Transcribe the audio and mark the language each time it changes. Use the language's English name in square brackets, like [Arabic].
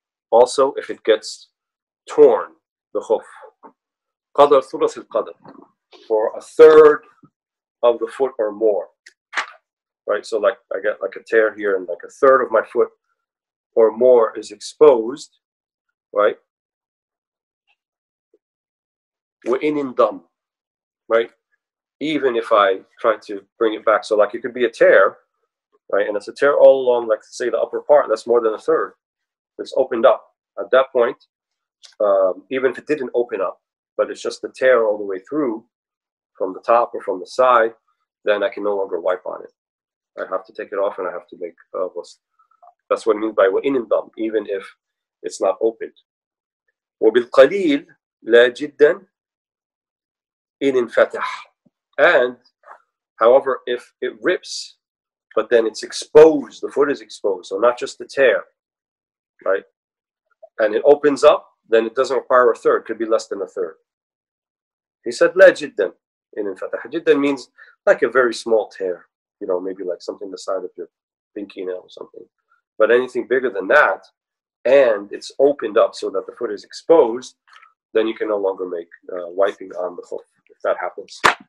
[English] Also, if it gets torn, the khuf, [Arabic] قَدْرَ ثُلُثِ الْقَدَمِ, [English] for a third of the foot or more. Right, so like I get like a tear here, and like a third of my foot or more is exposed, right? [Arabic] وَإِنْ انْضَمْ, [English] right? Even if I try to bring it back. So like it could be a tear, right? And it's a tear all along, like say the upper part, that's more than a third. It's opened up. At that point, even if it didn't open up, but it's just the tear all the way through from the top or from the side, then I can no longer wipe on it. I have to take it off and I have to make ghusl. That's what it means by [Arabic] وَإِنْ انْضَمْ, [English] even if it's not opened. [Arabic] وَبِالْقَلِيلِ لَا جِدًّا إِنْ انْفَتَحْ. [English] And, however, if it rips, but then it's exposed, the foot is exposed, so not just the tear, right? And it opens up, then it doesn't require a third, it could be less than a third. He said [Arabic] لَا جِدًّا إِنْ انْفَتَحْ. [English] جِدًّا means like a very small tear. You know, maybe like something the side of your pinky nail or something. But anything bigger than that, and it's opened up so that the foot is exposed, then you can no longer make wiping on the foot, if that happens.